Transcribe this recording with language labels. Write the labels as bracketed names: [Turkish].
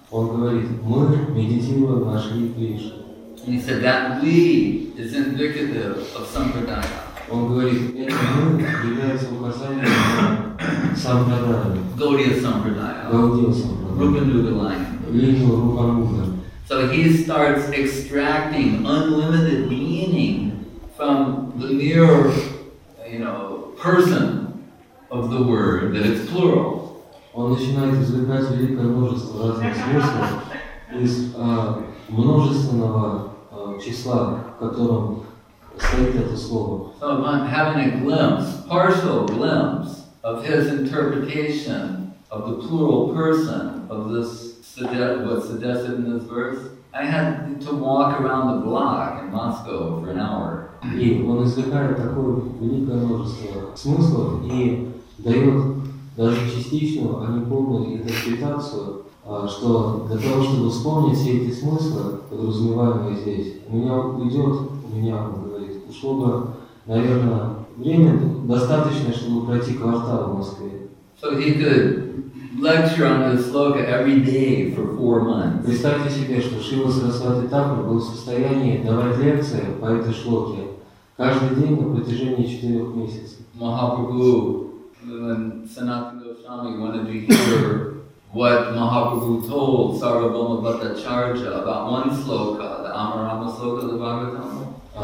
[Russian] Он говорит, мы медитируем на Шри Кришне. [English] And he said that we is indicative of sampradaya. [Russian] Он говорит, мы является указанием на сампрадаю. [English] Gaudiya sampradaya. [Russian] Gaudiya sampradaya. [English] Rupanuga line. [Russian] Лингва Рупануга. [English] So he starts extracting unlimited meaning from the mere, person of the word, that it's plural. [Russian] Он начинает извлекать великое множество разных смыслов из множественного числа, в котором стоит это слово. [English] So I'm having a glimpse, partial glimpse, of his interpretation of the plural person of this, what's suggested in this verse. I had to walk around the block in Moscow for an hour. [Russian] И он извлекает такое великое множество смыслов и дает даже частичную, а не полную интерпретацию, что для того, чтобы вспомнить все эти смыслы, подразумеваемые здесь, у меня, он говорит, ушло бы, наверное, время достаточное, чтобы пройти квартал в Москве. [English] So he could lecture on this sloka every day for 4 months. [Russian] Представьте себе, что Шрила Сарасвати Тхакура был в состоянии давать лекции по этой шлоке каждый день на протяжении 4 месяцев. Махапрабху. [English] When Sanatana Goswami wanted to hear what Mahaprabhu told Sarvabhauma Bhattacharya about one sloka, the Amarama sloka of the Bhagavatam.